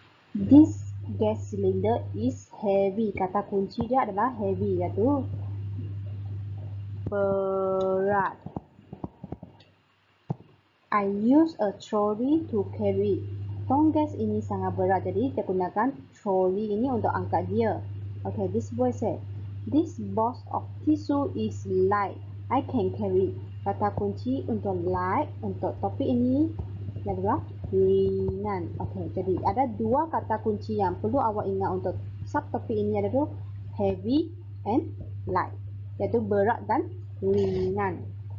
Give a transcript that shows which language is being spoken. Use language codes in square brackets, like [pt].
[en] This gas cylinder is heavy. [ms] Kata kunci dia adalah heavy, iaitu berat. [en] I use a trolley to carry. [ms] Tong gas ini sangat berat, jadi kita gunakan trolley ini untuk angkat dia. [en] Okay, this boy said, this box of tissue is light. I can carry. [ms] Kata kunci untuk light, untuk topik ini, adalah ringan. Okay, jadi ada dua kata kunci yang perlu awak ingat untuk subtopik ini, adalah [en] heavy and light, [ms] iaitu berat dan ringan.